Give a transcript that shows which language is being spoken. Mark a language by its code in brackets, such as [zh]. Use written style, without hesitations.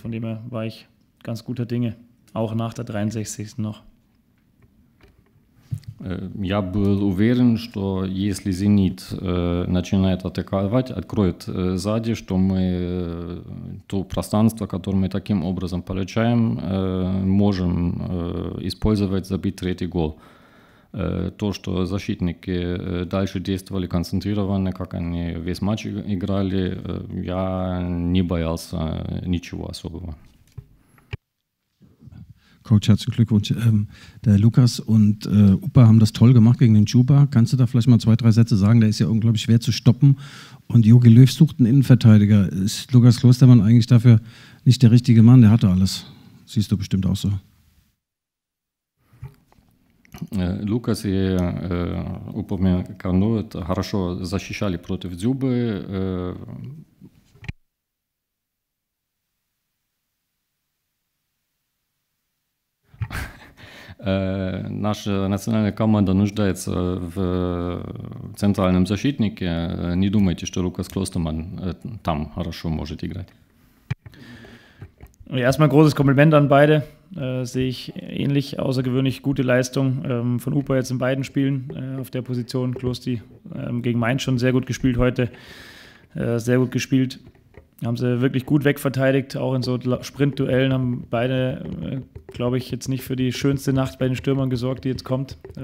[de] Von dem her war ich ganz guter Dinge, auch nach der 63. noch. [ru] Я был уверен, что если «Зенит» начинает атаковать, откроет сзади, что мы то пространство, которое мы таким образом получаем, можем использовать, забить третий гол. То, что защитники дальше действовали концентрированно, как они весь матч играли, я не боялся ничего особого. [de] Coach, herzlichen Glückwunsch. Der Lukas und Upa haben das toll gemacht gegen den Juba. Kannst du da vielleicht mal zwei, drei Sätze sagen? Der ist ja unglaublich schwer zu stoppen. Und Jogi Löw sucht einen Innenverteidiger. Ist Lukas Klostermann eigentlich dafür nicht der richtige Mann? Der hatte alles. Siehst du bestimmt auch so. [ru] Lukas и Упомяканов хорошо защищали против Дзюбы. Наша национальная команда нуждается в центральном защитнике. Не думайте, что Лукас Клостерман там хорошо может играть. [de] Erstmal großes Kompliment an beide. Sehe ich ähnlich, außergewöhnlich gute Leistung von Upa jetzt in beiden Spielen auf der Position. Klosti gegen Mainz schon sehr gut gespielt heute. Sehr gut gespielt. Haben sie wirklich gut wegverteidigt, auch in so Sprintduellen. Haben beide, glaube ich, jetzt nicht für die schönste Nacht bei den Stürmern gesorgt, die jetzt kommt.